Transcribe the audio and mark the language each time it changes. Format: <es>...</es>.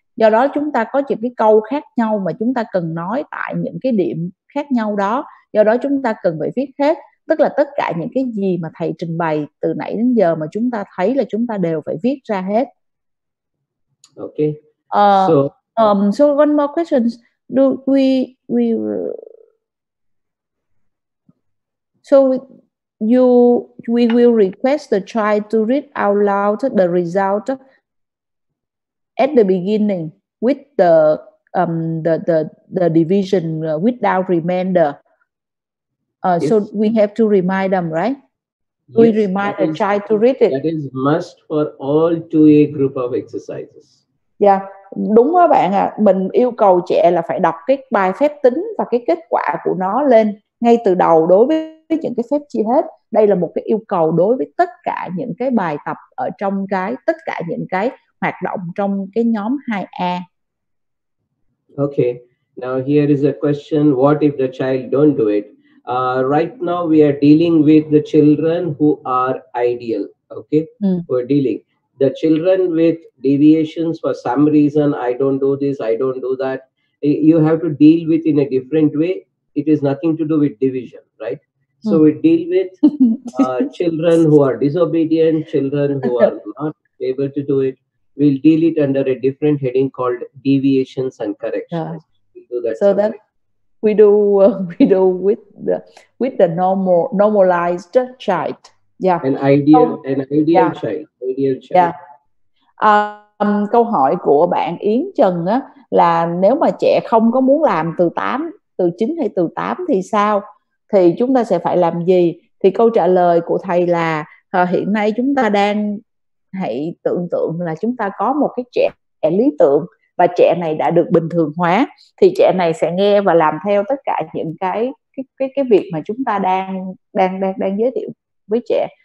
<vi>Do đó chúng ta có những cái câu khác nhau mà chúng ta cần nói tại những cái điểm khác nhau đó. Do đó chúng ta cần phải viết hết, tức là tất cả những cái gì mà thầy trình bày từ nãy đến giờ mà chúng ta thấy là chúng ta đều phải viết ra hết.</vi> <en>Okay. So one more question. Do we So we will request the child to read out loud the result at the beginning with the division without remainder. So we have to remind them, right? Yes, we remind the child to read it. That is must for all 2A group of exercises.</en> <vi>Yeah, đúng đó bạn ạ. Mình yêu cầu trẻ là phải đọc cái bài phép tính và cái kết quả của nó lên ngay từ đầu đối với những cái phép chia hết. Đây là một cái yêu cầu đối với tất cả những cái bài tập ở trong cái tất cả những cái hoạt động trong cái nhóm 2A.</vi> <en>Okay, now here is a question. What if the child don't do it? Right now we are dealing with the children who are ideal. Okay, we're dealing the children with deviations for some reason. I don't do this, I don't do that. You have to deal with in a different way. It is nothing to do with division, right? So we deal with children who are disobedient, children who are not able to do it. We'll deal it under a different heading called deviations and corrections. We'll do that so that we do with the normalized child. Yeah. An ideal child. Yeah.</en> <vi>Câu hỏi của bạn Yến Trần á là nếu mà trẻ không có muốn làm từ 8, từ 9 hay từ 8 thì sao? Thì chúng ta sẽ phải làm gì? Thì câu trả lời của thầy là hiện nay chúng ta đang hãy tưởng tượng là chúng ta có một cái trẻ lý tưởng và trẻ này đã được bình thường hóa, thì trẻ này sẽ nghe và làm theo tất cả những cái việc mà chúng ta đang giới thiệu với trẻ.</vi>